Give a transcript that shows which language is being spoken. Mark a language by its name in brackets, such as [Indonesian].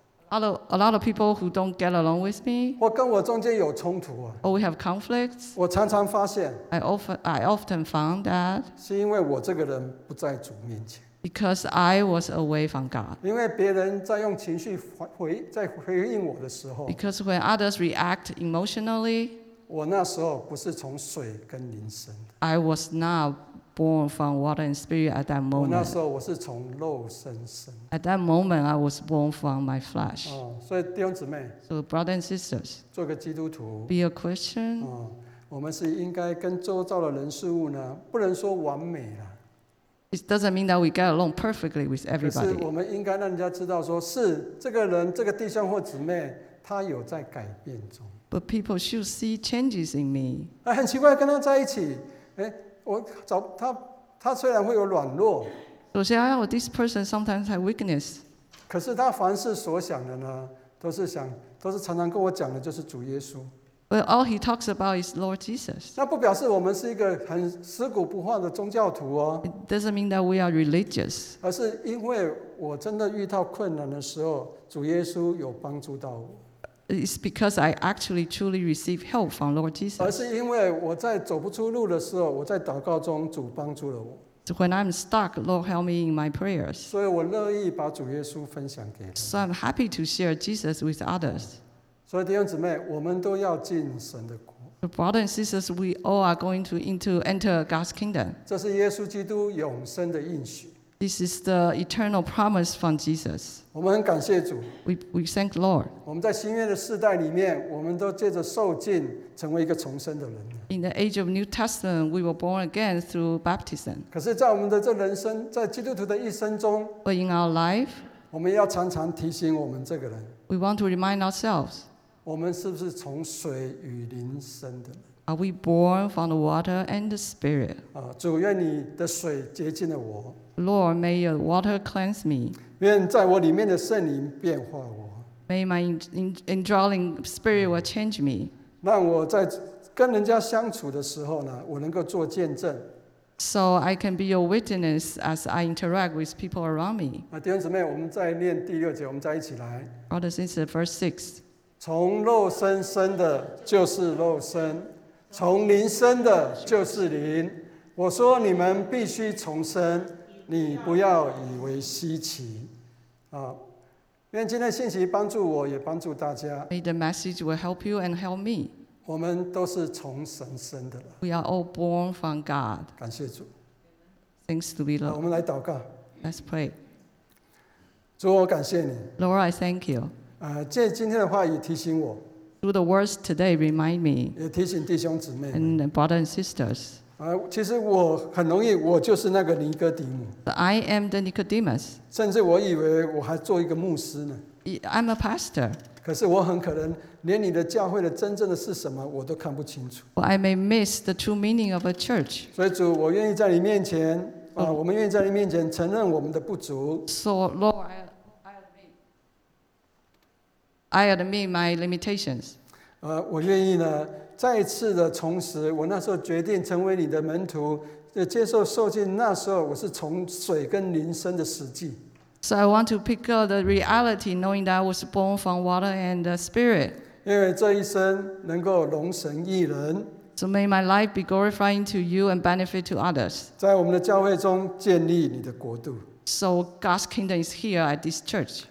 [English] ，a lot of people who don't get along with me. [Chinese] 我跟我中间有冲突啊。 [English] Or we have conflicts. [Chinese] 我常常发现 [English] ，I often found that. [Chinese] 是因为我这个人不在主面前。 [English] Because I was away from God. [Chinese] 因为别人在用情绪回应我的时候。 [English] Because when others react emotionally. [Chinese] 我那时候不是从水跟灵生的。 [English] I was not. Born from water and spirit at that moment. [Chinese] 我那时候我是从肉身生。 [English] At that moment, I was born from my flesh. [Chinese] 所以弟兄姊妹 [English] ，So brothers and sisters, [Chinese] 做个基督徒 [English] ，Be a Christian. [Chinese] 我们是应该跟周遭的人事物呢，不能说完美了。 [English] It doesn't mean that we get along perfectly with everybody. [Chinese] 可是我们应该让人家知道说，是这个人、这个弟兄或姊妹，他有在改变中。 [English] But people should see changes in me. [Chinese] 很奇怪，跟他在一起，我找他，他虽然会有软弱。首先，哎呀 [English] ，this person sometimes have weakness。 [Chinese] 可是他凡事所想的呢，都是想，都是常常跟我讲的，就是主耶稣。 [English] Well, all he talks about is Lord Jesus. [Chinese] 那不表示我们是一个很死骨不化的宗教徒哦。 [English] It doesn't mean that we are religious. [Chinese] 而是因为我真的遇到困难的时候，主耶稣有帮助到我。 [English] It's because I actually truly receive help from Lord Jesus. [Chinese] 而是因为我在走不出路的时候，我在祷告中主帮助了我。 [English] So when I'm stuck, Lord help me in my prayers. [Chinese] 所以我乐意把主耶稣分享给人。 [English] So I'm happy to share Jesus with others. [Chinese] 所以弟兄姊妹，我们都要进神的国。 [English] So brothers and sisters, we all are going to enter God's kingdom. [Chinese] 这是耶稣基督永生的应许。 [English] This is the eternal promise from Jesus. [Chinese] 我们很感谢主。 [English] We thank the Lord. [Chinese] 我们在新约的世代里面，我们都借着受浸成为一个重生的人。 [English] In the age of New Testament, we were born again through baptism. [Chinese] 可是，在我们的这人生，在基督徒的一生中 [English] ，But in our life, [Chinese] 我们要常常提醒我们这个人。 [English] We want to remind ourselves. [Chinese] 我们是不是从水与灵生的人？ [English] Are we born from the water and the spirit? [Chinese] 主愿你的水洁净了我。 [English] Lord, may your water cleanse me. [Chinese] 愿在我里面的圣灵变化我。 [English] May my indwelling spirit will change me. [Chinese] 让我在跟人家相处的时候呢，我能够做见证。 [English] So I can be your witness as I interact with people around me. [Chinese] 弟兄姊妹，我们再念第六节，我们再一起来。 [English] Brothers and sisters, verse 6. [Chinese] 从肉身生的就是肉身。从灵生的就是灵，我说你们必须重生，你不要以为稀奇。愿今天的信息帮助我，也帮助大家。 [English] May the message will help you and help me. [Chinese] 我们都是从神生的。 [English] We are all born from God. [Chinese] 感谢主。 [English] Thanks to be Lord. [Chinese] 我们来祷告。 [English] Let's pray. [Chinese] 主，我感谢你。 [English] Lord, I thank you. [Chinese] 借今天的话语提醒我。 [English] Through the words today, remind me. [Chinese] 也提醒弟兄姊妹。 [English] And brothers and sisters. [Chinese] 其实我很容易，我就是那个尼哥底母。 [English] I am the Nicodemus. [Chinese] 甚至我以为我还做一个牧师呢。 [English] I'm a pastor. [Chinese] 可是我很可能连你的教会的真正的是什么我都看不清楚。 [English] I may miss the true meaning of a church. [Chinese] 所以主，我愿意在你面前，我们愿意在你面前承认我们的不足。 [English] So Lord. I admit my limitations. [Chinese] 我愿意呢，再次的重拾我那时候决定成为你的门徒，接受受浸。那时候我是从水跟灵生的实际。 [English] So I want to pick up the reality, knowing that I was born from water and the spirit. [Chinese] 因为这一生能够荣神益人。 [English] So may my life be glorifying to you and benefit to others. [Chinese] 在我们的教会中建立你的国度。 [English] So God's kingdom is here at this church.